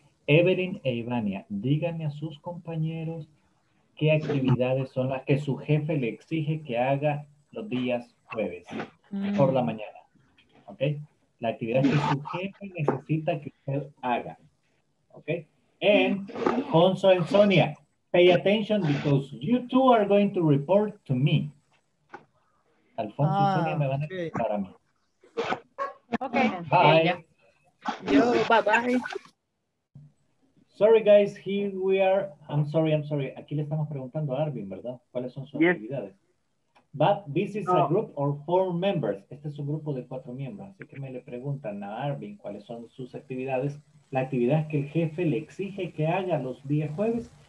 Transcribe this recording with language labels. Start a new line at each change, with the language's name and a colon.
Spanish: Evelyn e Ivania, díganme a sus compañeros qué actividades son las que su jefe le exige que haga los días jueves. Por la mañana, ¿ok? La actividad que su jefe necesita que usted haga, ¿ok?
English: And Alfonso and Sonia, pay attention because you two are going to report to me.
Spanish: Alfonso y Sonia me van a reportar a mí.
English: Ok. Bye. Bye-bye. Sorry, guys, here we are. I'm sorry.
Spanish: Aquí le estamos preguntando a Arvin, ¿verdad? ¿Cuáles son sus actividades?
English: But this is a group of four members.
Spanish: Este es un grupo de cuatro miembros. Así que me le preguntan a Arvin cuáles son sus actividades. La actividad que el jefe le exige que haga los días jueves.